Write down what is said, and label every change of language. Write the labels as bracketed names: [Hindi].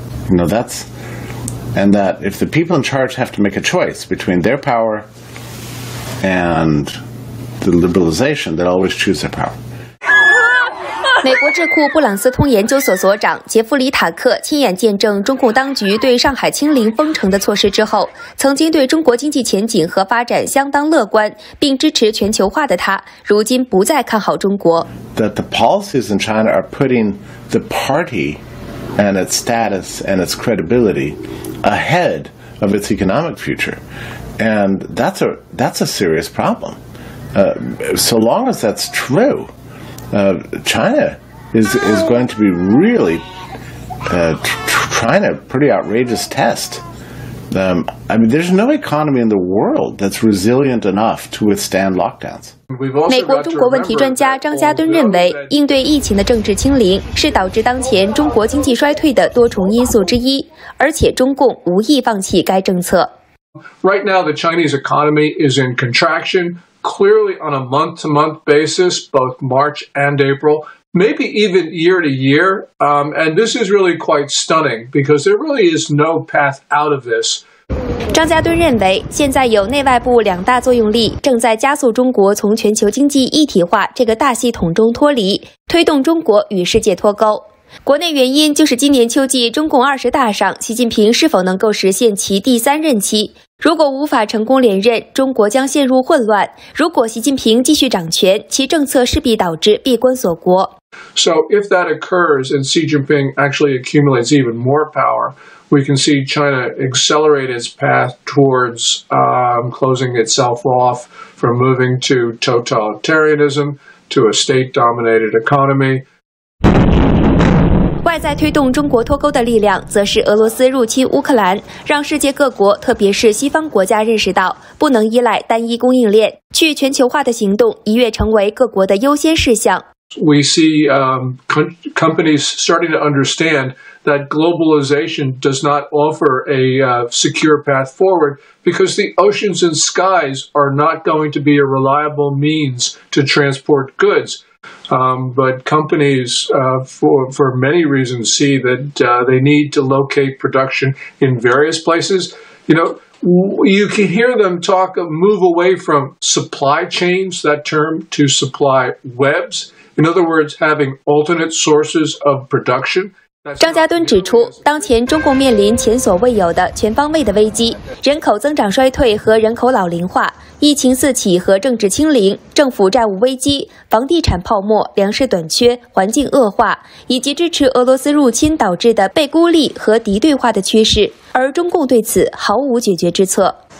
[English] You know that'sAnd that if the people in charge have to make a choice between their power and the liberalization, they always choose their power. [Chinese] 美国智库布朗斯通研究所所长杰弗里·塔克亲眼见证中共当局对上海清零封城的措施之后，曾经对中国经济前景和发展相当乐观，并支持全球化的他，如今不再看好中国。 [English] That the policies in China are putting the party and its status and its credibility. Ahead of its economic future, and that's a serious problem. So long as that's true, China is going to be really trying a pretty outrageous test I mean, there's no economy in the world that's resilient enough to withstand lockdowns. [Chinese] 美国中国问题专家张家敦认为，应对疫情的政治清零是导致当前中国经济衰退的多重因素之一，而且中共无意放弃该政策。 [English] Right now, the Chinese economy is in contraction, clearly on a month-to-month basis, both March and April. Maybe even year to year. And this is really quite stunning because there really is no path out of this. [Chinese] 张家敦认为现在有内外部两大作用力正在加速中国从全球经济一体化这个大系统中脱离，推动中国与世界脱钩。国内原因就是今年秋季中共二十大上习近平是否能够实现其第三任期。如果无法成功连任，中国将陷入混乱。如果习近平继续掌权，其政策势必导致闭关锁国。 [English] So if that occurs and Xi Jinping actually accumulates even more power, we can see China accelerate its path towards closing itself off from moving to totalitarianism, to a state-dominated economy. [Chinese] 外在推动中国脱钩的力量则是俄罗斯入侵乌克兰，让世界各国特别是西方国家认识到不能依赖单一供应链，去全球化的行动一跃成为各国的优先事项。 [English] We see companies starting to understand that globalization does not offer a secure path forward because the oceans and skies are not going to be a reliable means to transport goods. But companies, for many reasons, see that they need to locate production in various places. You know, you can hear them talk of move away from supply chains, that term, to supply webs. In other words, having alternate sources of production. [Chinese] 张家敦指出，当前中共面临前所未有的全方位的危机，人口增长衰退和人口老龄化，疫情四起和政治清零，政府债务危机，房地产泡沫，粮食短缺，环境恶化，以及支持俄罗斯入侵导致的被孤立和敌对化的趋势，而中共对此毫无解决之策。